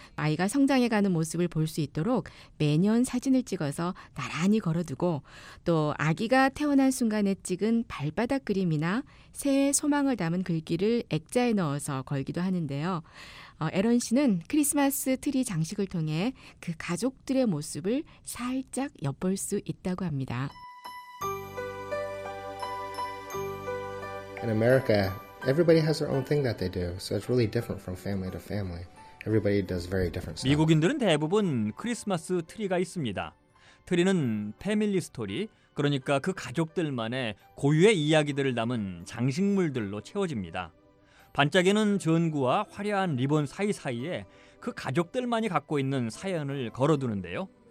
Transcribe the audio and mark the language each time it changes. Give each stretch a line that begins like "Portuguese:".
Korean: 아이가 성장해가는 모습을 볼 수 있도록 매년 사진을 찍어서 나란히 걸어두고 또 아기가 태어난 순간에 찍은 발바닥 그림이나 새해 소망을 담은 글귀를 액자에 넣어서 걸기도 하는데요. 에런 씨는 크리스마스 트리 장식을 통해 그 가족들의 모습을 살짝 엿볼 수 있다고 합니다.
English: In America, everybody has their own thing that they do, so it's really different from family to family. Everybody does very different stuff.
Korean: 미국인들은 대부분 크리스마스 트리가 있습니다. 트리는 패밀리 스토리, 그러니까 그 가족들만의 고유의 이야기들을 담은 장식물들로 채워집니다. 반짝이는 전구와 화려한 리본 사이사이에 그 가족들만이 갖고 있는 사연을 걸어두는데요.